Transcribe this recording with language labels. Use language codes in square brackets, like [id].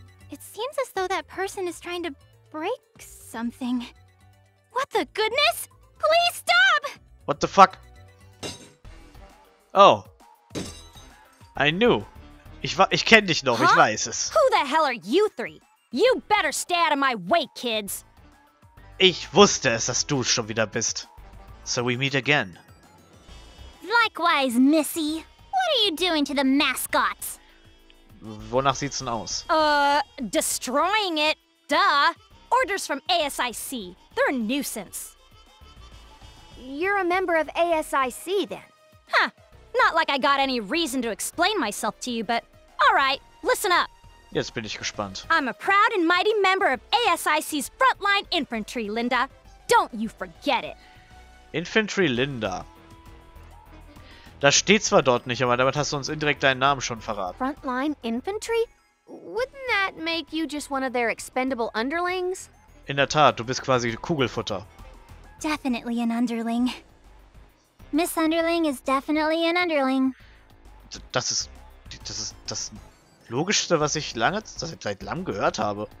[en] It seems as though that person is trying to break something. What the goodness? Please stop! What the fuck? Oh. I knew. [de] Ich kenn dich noch, huh? Ich weiß es. [en] Who the hell are you three? You better stay out of my way, kids. [de] Ich wusste es, dass du schon wieder bist. [en] So we meet again. Likewise, Missy. What are you doing to the mascots? [de] Wonach sieht's denn aus? [en] Destroying it. Duh. Orders from ASIC. They're a nuisance. You're a member of ASIC, then? Huh. Not like I got any reason to explain myself to you, but... All right, listen up. [de] Jetzt bin ich gespannt. [en] I'm a proud and mighty member of ASIC's frontline infantry, Linda. Don't you forget it. Infantry Linda. [de] Das steht zwar dort nicht, aber damit hast du uns indirekt deinen Namen schon verraten. [en] Frontline infantry? Wouldn't that make you just one of their expendable underlings? [de] In der Tat, du bist quasi Kugelfutter. [en] Definitely an underling. Miss Underling is definitely an underling. [de] Das ist das Logischste, was ich lange, das ich seit langem gehört habe.